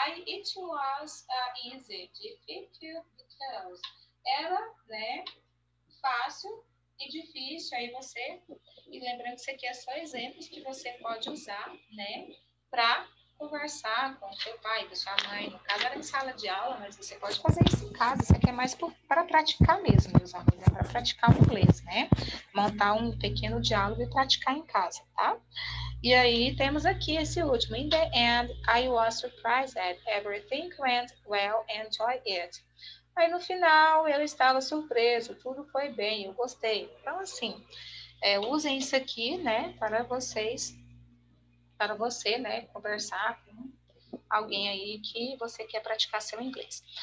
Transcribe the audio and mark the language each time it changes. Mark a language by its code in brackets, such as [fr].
[en] It was easy, difficult, because [pt] era, né, fácil e difícil. Aí você, e lembrando que isso aqui é só exemplos que você pode usar, né, para conversar com seu pai, com sua mãe, no caso era em sala de aula, mas você pode fazer isso em casa. Isso aqui é mais para praticar mesmo, meus amigos, é para praticar o inglês, né? Montar um pequeno diálogo e praticar em casa, tá? E aí temos aqui esse último: [en] In the end, I was surprised that everything went well and enjoy it. [pt] Aí no final eu estava surpreso, tudo foi bem, eu gostei. Então, assim, usem isso aqui, né, para vocês. Para você, né, conversar com alguém aí que você quer praticar seu inglês.